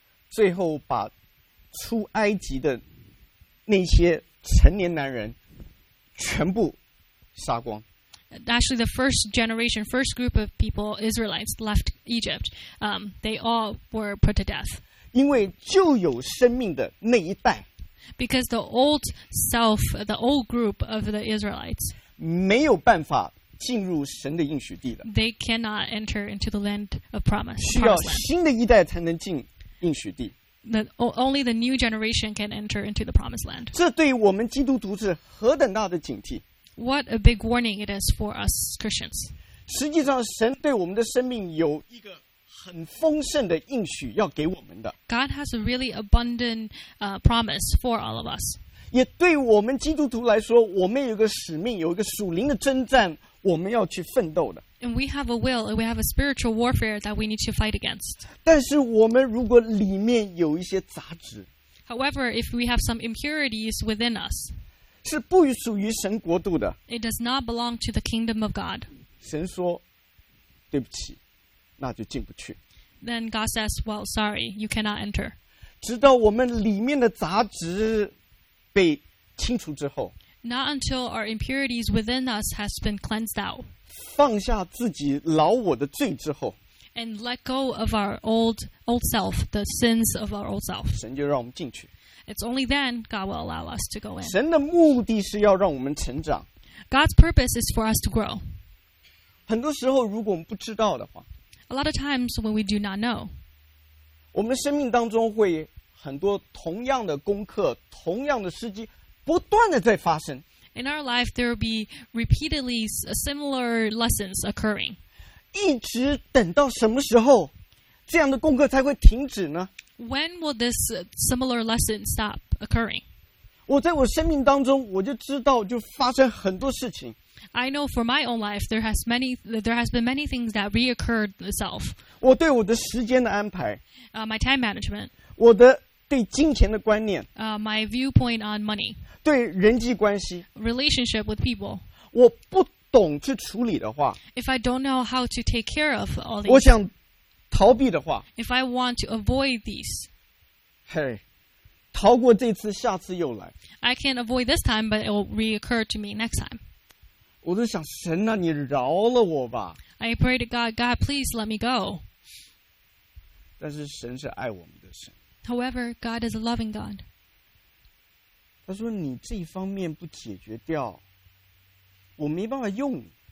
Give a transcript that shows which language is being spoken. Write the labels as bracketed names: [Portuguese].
[Chinese] 最后把出埃及的那些成年男人全部杀光。 [English] Actually, the first generation, first group of people, Israelites, left Egypt. They all were put to death. [Chinese] 因为旧有生命的那一代。 [English] Because the old self, the old group of the Israelites, [Chinese] 没有办法进入神的应许地的。 [English] They cannot enter into the land of promise. [Chinese] 需要新的一代才能进应许地。 [English] That only the new generation can enter into the promised land. [Chinese] 这对我们基督徒是何等大的警惕。 [English] What a big warning it is for us Christians. [Chinese] 实际上神对我们的生命有一个很丰盛的应许要给我们的。 [English] God has a really abundant promise for all of us. [Chinese] 也对我们基督徒来说，我们有一个使命，有一个属灵的征战，我们要去奋斗的。 [English] And we have a will, and we have a spiritual warfare that we need to fight against. [Chinese] 但是我们如果里面有一些杂质， [English] However, if we have some impurities within us, [Chinese] 是不属于神国度的， [English] It does not belong to the kingdom of God. [Chinese] 神说，对不起，那就进不去。 [English] Then God says, well, sorry, you cannot enter. [Chinese] 直到我们里面的杂质被清除之后， [English] Not until our impurities within us has been cleansed out. [Chinese] 放下自己老我的罪之后 [English] ，and let go of our old self, the sins of our old self. [Chinese] 神就让我们进去。 [English] It's only then God will allow us to go in. [Chinese] 神的目的是要让我们成长。 [English] God's purpose is for us to grow. [Chinese] 很多时候，如果我们不知道的话 [English] ，a lot of times when we do not know, [Chinese] 我们生命当中会很多同样的功课、同样的事迹不断的在发生。 [English] In our life, there will be repeatedly similar lessons occurring. [Chinese] 一直等到什么时候，这样的功课才会停止呢？ [English] When will this similar lesson stop occurring? [Chinese] 我在我生命当中，我就知道就发生很多事情。 [English] I know for my own life, there has been many things that reoccurred itself. [Chinese] 我对我的时间的安排。 [English] My time management. [Chinese] 我的对金钱的观念。 [English] My viewpoint on money. [Chinese] 对人际关系 [English] relationship with people [Chinese] 我不懂去处理的话 [English] if I don't know how to take care of all these [Chinese] 我想逃避的话 [English] if I want to avoid these [Chinese] 逃过这次下次又来 [English] I can avoid this time but it will reoccur to me next time [Chinese] 我就想神啊你饶了我吧 [English] I pray to God please let me go [Chinese] 但是神是爱我们的神。 [English] However, God is a loving God. [Chinese] 他说你这一方面不解决掉，我没办法用你。